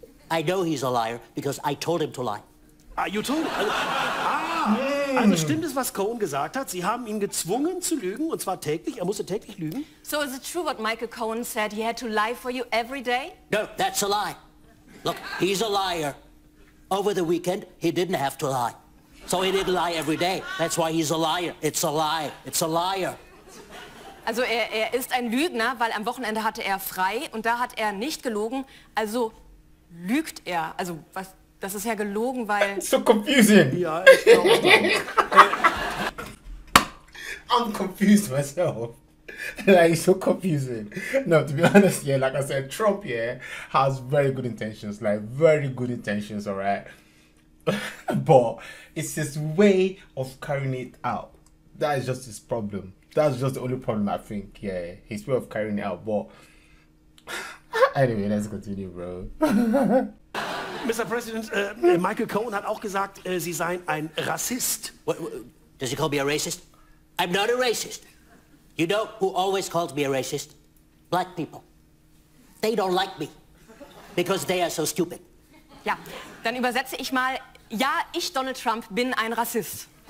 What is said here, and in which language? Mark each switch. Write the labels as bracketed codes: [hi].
[en] I know he's a liar because I told him to lie. You too. [de] Also stimmt es, was Cohen gesagt hat? Sie haben ihn gezwungen zu lügen, und zwar täglich. Er musste täglich lügen. [en] So is it true what Michael Cohen said? He had to lie for you every day? No, that's a lie. Look, he's a liar. Over the weekend, he didn't have to lie. So he didn't lie every day. That's why he's a liar. It's a lie. It's a liar. [de] Also er ist ein Lügner, weil am Wochenende hatte er frei, und da hat er nicht gelogen. Also lügt er. Also was... Das ist ja gelogen, weil... [en] So confusing. [de] Ja, ich glaube. [en] I'm confused myself. Like, so confusing. No, to be honest, yeah, like I said, Trump, yeah, has very good intentions. Like, very good intentions, all right? But it's his way of carrying it out. That is just his problem. That's just the only problem, I think, yeah. His way of carrying it out. But Anyway, let's continue, bro. [de] Mr. President, Michael Cohen hat auch gesagt, Sie seien ein Rassist. [en] Does he call me a racist? I'm not a racist. You know who always calls me a racist? Black people. They don't like me. Because they are so stupid. [de] Ja, dann übersetze ich mal, ja, ich, Donald Trump, bin ein Rassist.